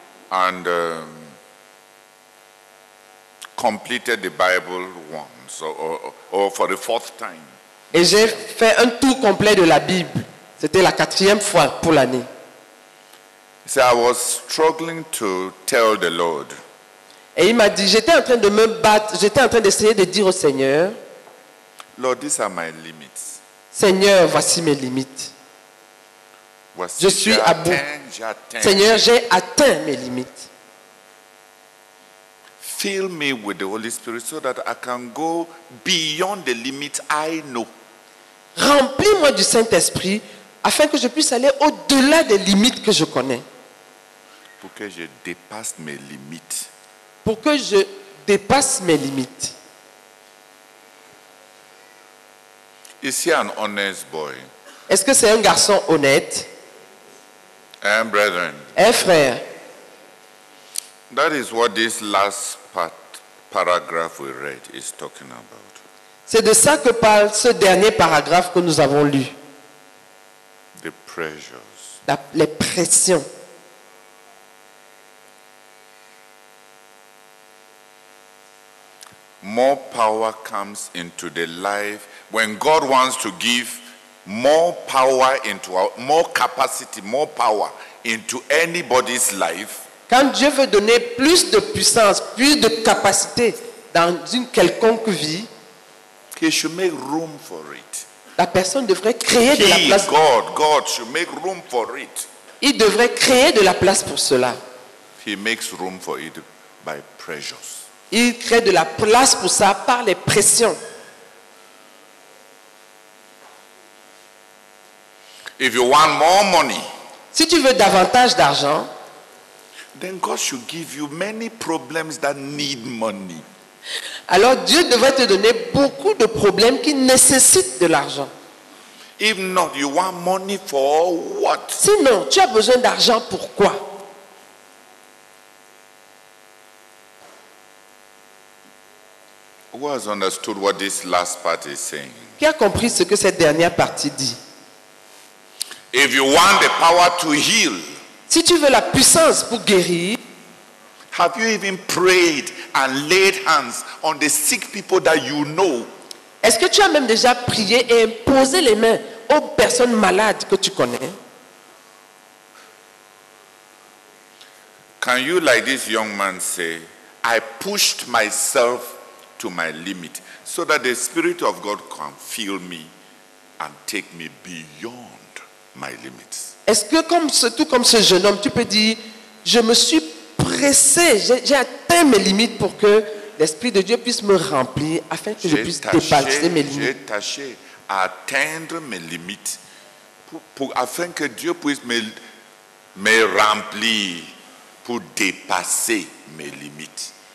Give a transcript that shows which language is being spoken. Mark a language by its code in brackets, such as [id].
[en] And completed the Bible once, or for the fourth time. [fr] Et j'ai fait un tour complet de la Bible. C'était la 4e fois pour l'année. [en] So I was struggling to tell the Lord. [fr] Et il m'a dit, j'étais en train de me battre, j'étais en train d'essayer de dire au Seigneur. [en] Lord, these are my limits. [fr] Seigneur, voici mes limites. Voici, je suis à bout. Seigneur, j'ai atteint mes limites. [en] Fill me with the Holy Spirit so that I can go beyond the limits I know. [fr] Remplis-moi du Saint-Esprit afin que je puisse aller au-delà des limites que je connais. pour que je dépasse mes limites. Pour que je dépasse mes limites. [en] Is he an honest boy? [fr] Est-ce que c'est un garçon honnête? Un brethren. Un frère. [en] That is what this last paragraph we read is talking about. [fr] C'est de ça que parle ce dernier paragraphe que nous avons lu. [en] The pressures. [fr] Les pressions. [en] More power comes into the life when God wants to give more power into our, more capacity, more power into anybody's life. [fr] Quand Dieu veut donner plus de puissance, plus de capacité dans une quelconque vie, [en] he should make room for it. [fr] La personne devrait créer de la place. [en] God should make room for it. [fr] Il devrait créer de la place pour cela. [en] He makes room for it by pressures. [fr] Il crée de la place pour ça par les pressions. [en] If you want more money, [fr] si tu veux davantage d'argent, [en] then God should give you many problems that need money. [fr] Alors Dieu devrait te donner beaucoup de problèmes qui nécessitent de l'argent. [en] If not, you want money for what? [fr] Sinon, tu as besoin d'argent pour quoi? [en] Who has understood what this last part is saying? [fr] Qui a compris ce que cette dernière partie dit? [en] If you want the power to heal, [fr] si tu veux la puissance pour guérir, [en] have you even prayed and laid hands on the sick people that you know? [fr] Est-ce que tu as même déjà prié et imposé les mains aux personnes malades que tu connais? [en] Can you, like this young man, say, I pushed myself to my limit so that the Spirit of God can fill me and take me beyond my limits? [fr] Est-ce que tout comme ce jeune homme, tu peux dire, je me suis pressé, j'ai atteint mes limites pour que l'Esprit de Dieu puisse me remplir afin que je puisse dépasser mes limites. J'ai tâché à atteindre mes limites pour afin que Dieu puisse me remplir pour dépasser mes limites.